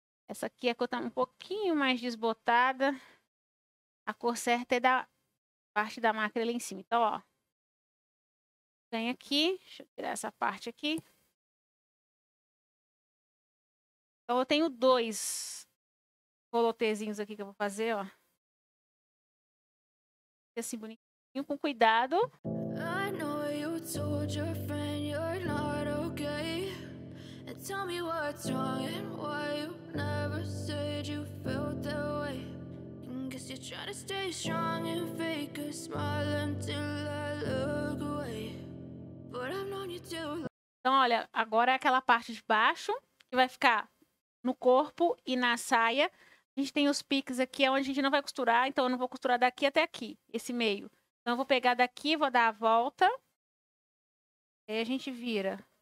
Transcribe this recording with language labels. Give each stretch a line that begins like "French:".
Portuguese: Essa aqui é a cor tá um pouquinho mais desbotada. A cor certa é da parte da máquina lá em cima. Então, ó. Vem aqui. Deixa eu tirar essa parte aqui. Então, eu tenho 2 colotezinhos aqui que eu vou fazer, ó. Fica assim bonitinho, com cuidado.
English: I know you told your friend you're not okay. And tell me what's wrong and why you never said you felt that way. Guess you're trying to stay strong and fake a smile until I look away. But I've known you too.
Portuguese: Então, olha, agora é aquela parte de baixo que vai ficar no corpo e na saia. A gente tem os piques aqui, é onde a gente não vai costurar, então eu não vou costurar daqui até aqui, esse meio. Então eu vou pegar daqui, vou dar a volta. Aí a gente vira.